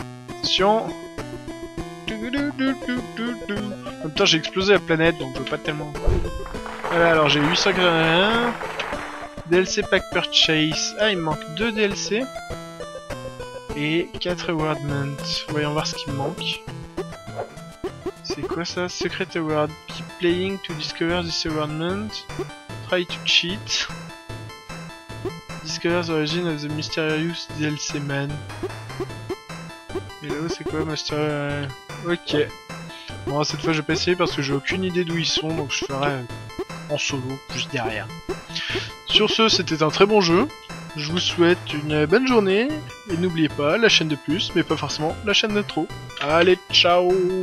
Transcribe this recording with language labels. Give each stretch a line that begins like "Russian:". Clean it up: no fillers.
French: Attention. En même temps, j'ai explosé la planète, donc je veux pas tellement. Voilà, alors j'ai 881. DLC Pack Purchase. Ah, il me manque 2 DLC. Et 4 Award Mint. Voyons voir ce qu'il me manque. C'est quoi ça? Secret Award.
English: Keep playing to discover this Award Mint. Try to cheat. Discover the origin of the mysterious DLC man.
French: Et là, c'est quoi, Master? Ok. Bon, cette fois, je vais pas essayer parce que j'ai aucune idée d'où ils sont, donc je ferai en solo, juste derrière. Sur ce, c'était un très bon jeu. Je vous souhaite une bonne journée. Et n'oubliez pas la chaîne de plus, mais pas forcément la chaîne de trop. Allez, ciao !